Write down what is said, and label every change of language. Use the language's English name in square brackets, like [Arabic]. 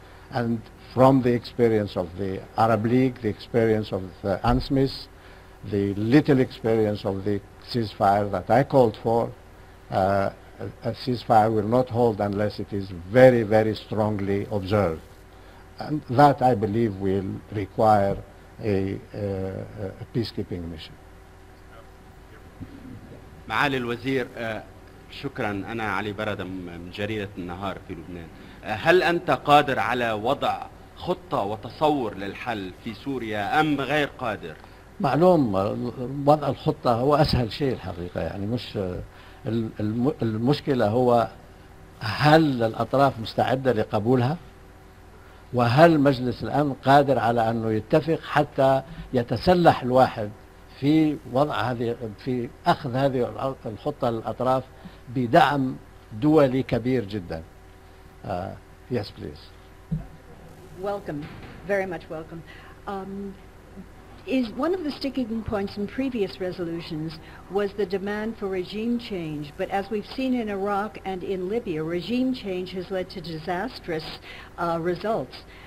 [English] And from the experience of the Arab League, the experience of the UNSMIS, the little experience of the ceasefire that I called for, a ceasefire will not hold unless it is very, very strongly observed. And that, I believe, will require a peacekeeping mission. [Arabic] معالي الوزير شكرا أنا علي بردم من جريدة النهار في لبنان هل أنت قادر على وضع خطة وتصور للحل في سوريا أم غير قادر؟ معلوم وضع الخطة هو أسهل شيء الحقيقة يعني مش المشكلة هو هل الأطراف مستعدة لقبولها؟ وهل مجلس الأمن قادر على أنه يتفق حتى يتسلح الواحد في وضع هذه في أخذ هذه الخطة للأطراف بدعم دولي كبير جدا؟ [English] Yes, please. Welcome, very much welcome. Is one of the sticking points in previous resolutions was the demand for regime change. But as we've seen in Iraq and in Libya, regime change has led to disastrous results.